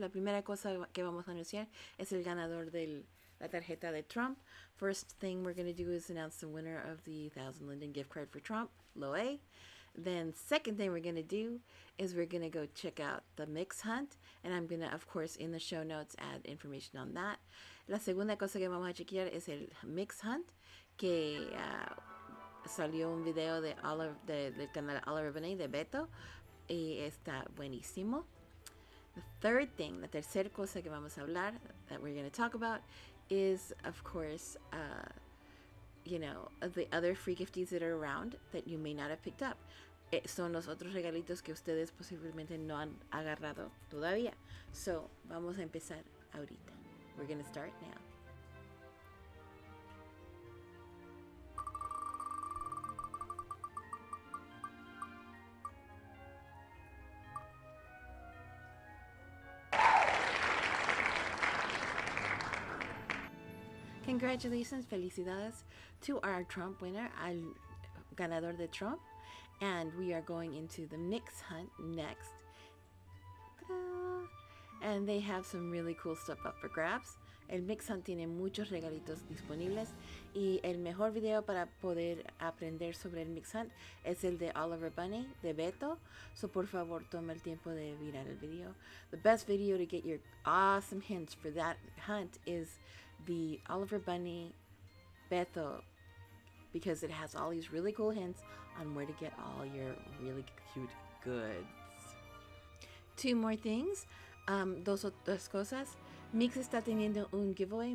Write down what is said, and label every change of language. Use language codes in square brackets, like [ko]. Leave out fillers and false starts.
[es] La primera cosa que vamos a anunciar es el ganador de la tarjeta de Trump. [en] First thing we're going to do is announce the winner of the 1,000 Linden gift card for Trump, Loé. Then second thing we're going to do is we're going to go check out the mix hunt. And I'm going to, of course, in the show notes, add information on that. [es] La segunda cosa que vamos a chequear es el mix hunt, que salió un video de del canal Oliver Benet de Beto. Y está buenísimo. [en] The third thing, [es] la tercera cosa que vamos a hablar, [en] that we're going to talk about, is, of course, you know, the other free gifties that are around that you may not have picked up. [es] Son los otros regalitos que ustedes posiblemente no han agarrado todavía. So, vamos a empezar ahorita. [en] We're gonna start now. Congratulations, felicidades to our Trump winner, [es] al ganador de Trump. [en] And we are going into the mix hunt next. Ta-da! And they have some really cool stuff up for grabs. [es] El mix hunt tiene muchos regalitos disponibles. Y el mejor video para poder aprender sobre el mix hunt es el de Oliver Bunny, de Beto. So por favor, toma el tiempo de mirar el video. [en] The best video to get your awesome hints for that hunt is the Oliver Bunny Beto, because it has all these really cool hints on where to get all your really cute goods. Two more things. [es] Dos cosas. Mix está teniendo un giveaway.